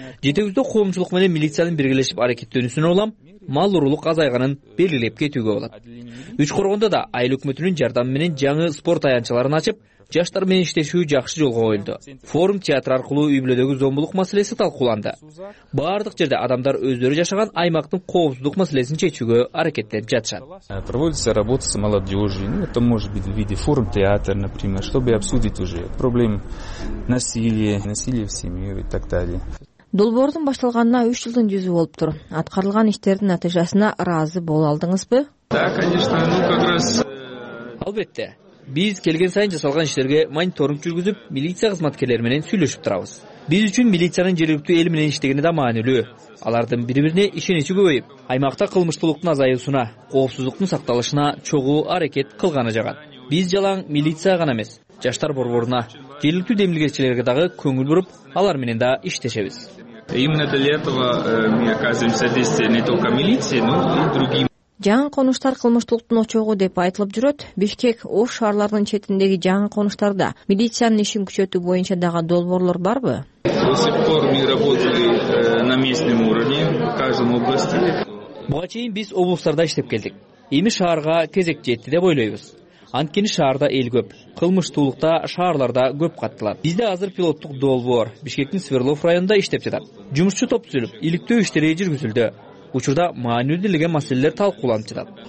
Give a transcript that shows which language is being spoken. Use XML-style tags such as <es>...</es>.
<ky>Жетегүздө коомчулук менен милициянын биргелешип аракеттөнүүсүн улам мал урулук азайганын белгилеп кетүүгө болот. Үч Коргондо да айыл өкмөтүнүн жардамы менен жаңы спорт аянтчаларын ачып, жаштар менен иштешүү жакшы жолго коюлду. Форум театр аркылуу үй бүлөдөгү зомбулук маселеси талкууланды. Баардык жерде адамдар өздөрү жашаган аймактын коопсуздук маселесин чечүүгө аракеттенип жатышат.</ky> <ru>Проводится работа с молодежью. Это может быть в виде форум театр, например, чтобы обсудить уже проблемы насилия, насилия в семье и так далее.</ru> <ky>Долбоордун башталганына 3 жылдын жүзү болуптур. Аткарылган иштердин натыйжасына ыраазы боло алдыңызбы?</ky> <ru>Да, конечно, ну как раз.</ru> <ky>Албетте. Биз келген сайын жасалган иштерге мониторинг жүргүзүп, милиция кызматкерлери менен сүйлөшүп турабыз. Биз үчүн милициянын жергиликтүү эл менен иштегени да маанилүү. Алардын бири-бирине ишенечи көбөйүп, аймакта кылмыштуулуктун азайуусуна, коопсуздуктун сакталышына чогуу аракет кылганы жагат. Биз жалаң милиция гана эмес, жаштар борборуна, жергиликтүү демилгечилерге дагы көңүл буруп, алар менен да иштешебиз.</ky> <ru>Именно для этого мы оказываем содействие не только милиции, но и другим.</ru> <ky>Жаңы конуштар кылмыштуулуктун очогу деп айтылып жүрөт. Бишкек, Ош шаарларынын четиндеги жаңы конуштарда милициянын ишин күчөтүү боюнча дагы долбоорлор барбы?</ky> <ru>До сих пор мы работали на местном уровне в каждом области.</ru> <ky>Буга чейин биз облустарда иштеп келдик. Эми шаарга кезек жетти деп ойлойбуз. Анткени шаарда эл көп, кылмыштуулукта шаарларда көп каттылар. Бизде азыр пилоттук долбоор Бишкектин Свердлов районунда иштеп жатат. Жумушчу топ түзүлүп, иликтөө иштери жүргүзүлдү. Учурда маанилүү деген маселелер талкууланып жатат.</ky>